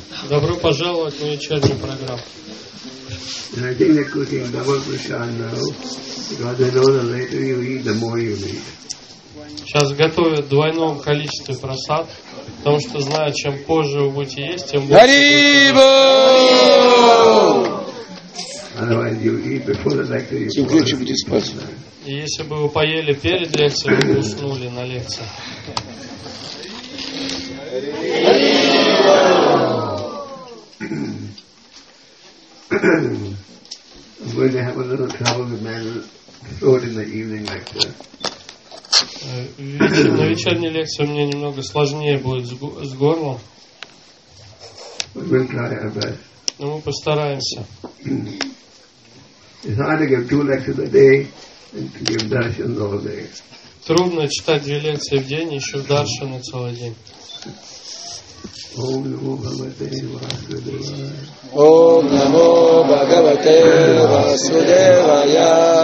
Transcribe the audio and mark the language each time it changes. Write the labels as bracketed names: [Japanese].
[Russian] Добро пожаловать на вечернюю программу. [English] And I think they're cooking double prasad now, because they know the later you eat, the more you need. [Russian] Сейчас готовят двойном количестве просад, потому что знают, чем позже вы будете есть, тем больше. [English] Otherwise, you eat before the lecture. You will be dispersed. [Russian] И если бы вы поели перед лекцией, вы уснули на лекции. [English] I'm going to have a little trouble with my throat in the evening lecture. [Russian] На вечерней лекции мне немного сложнее будет с горлом. [English] We'll try our best. [Russian] Но мы постараемся. [English] It's hard to give two lectures a day and to give darshans all day. [Russian] Трудно читать две лекции в день, еще даршаны целый день. [Sanskrit] Ом намо Бхагавате Васудевая. Ом намо Бхагавате Васудевая.